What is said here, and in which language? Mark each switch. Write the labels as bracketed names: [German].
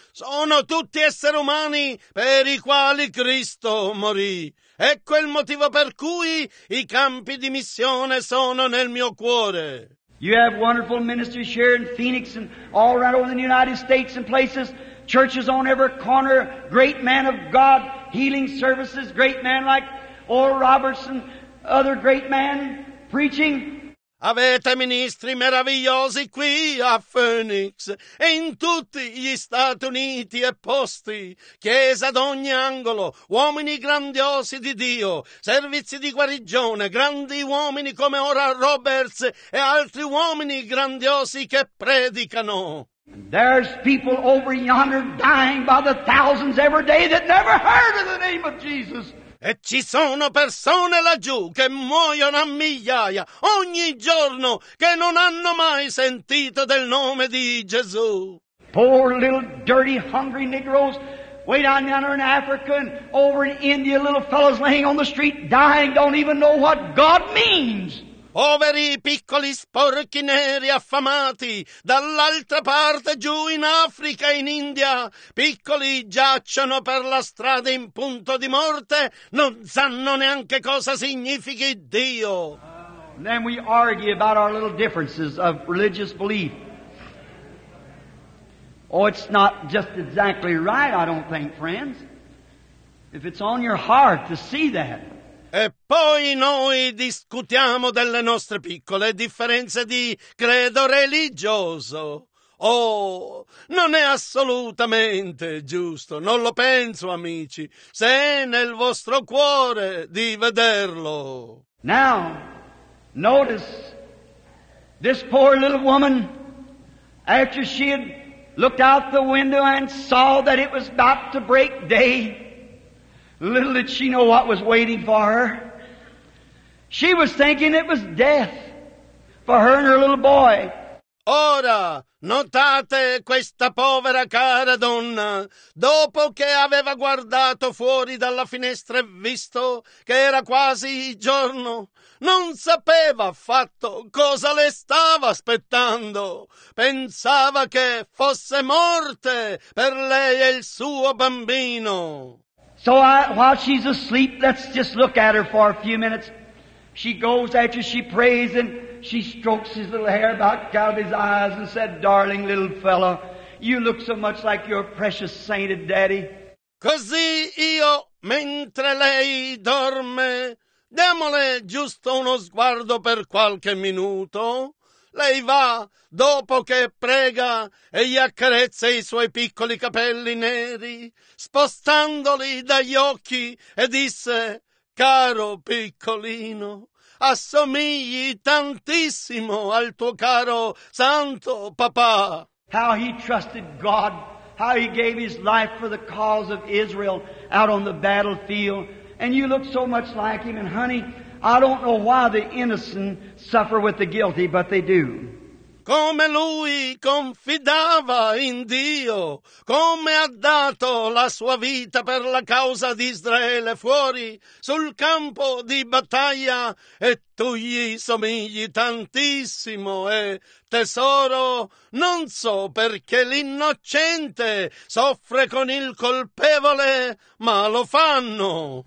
[Italian] Sono tutti esseri umani per i quali Cristo morì. Ecco il motivo per cui i campi di missione sono nel mio cuore. [English] You have wonderful ministries here in Phoenix and all around over in the United States and places, churches on every corner, great man of God, healing services, great man like Oral Robertson, other great man preaching. [Italian] Avete ministri meravigliosi qui a Phoenix e in tutti gli Stati Uniti e posti, chiesa ad ogni angolo, uomini grandiosi di Dio, servizi di guarigione, grandi uomini come Oral Roberts e altri uomini grandiosi che predicano. [English] There's people over yonder dying by the thousands every day that never heard of the name of Jesus. [Italian] E ci sono persone laggiù che muoiono a migliaia ogni giorno che non hanno mai sentito del nome di Gesù. [English] Poor little dirty hungry negroes way down yonder in Africa and over in India, little fellows laying on the street dying don't even know what God means. [Italian] Poveri piccoli sporchi neri affamati dall'altra parte giù in Africa e in India, piccoli giacciono per la strada in punto di morte, non sanno neanche cosa significhi Dio. [English] And then we argue about our little differences of religious belief. Oh, it's not just exactly right, I don't think, friends. If it's on your heart to see that. [Italian] E poi noi discutiamo delle nostre piccole differenze di credo religioso. Oh, non è assolutamente giusto, non lo penso, amici, se è nel vostro cuore di vederlo. [English] Now, notice this poor little woman, after she had looked out the window and saw that it was about to break day. Little did she know what was waiting for her. She was thinking it was death for her and her little boy. [Italian] Ora, notate questa povera cara donna, dopo che aveva guardato fuori dalla finestra e visto che era quasi giorno, non sapeva affatto cosa le stava aspettando. Pensava che fosse morte per lei e il suo bambino. [English] So while she's asleep, let's just look at her for a few minutes. She goes after she prays and she strokes his little hair back out of his eyes and said, "Darling little fellow, you look so much like your precious sainted daddy." [Italian] Così io, mentre lei dorme, diamole giusto uno sguardo per qualche minuto. Lei va, dopo che prega, e gli accarezza i suoi piccoli capelli neri, spostandoli dagli occhi, e disse, "Caro piccolino, assomigli tantissimo al tuo caro santo papà." [English] How he trusted God, how he gave his life for the cause of Israel out on the battlefield, and you look so much like him, and honey, I don't know why the innocent suffer with the guilty, but they do. [Italian] Come lui confidava in Dio, come ha dato la sua vita per la causa di Israele fuori, sul campo di battaglia, e tu gli somigli tantissimo, e tesoro, non so perché l'innocente soffre con il colpevole, ma lo fanno.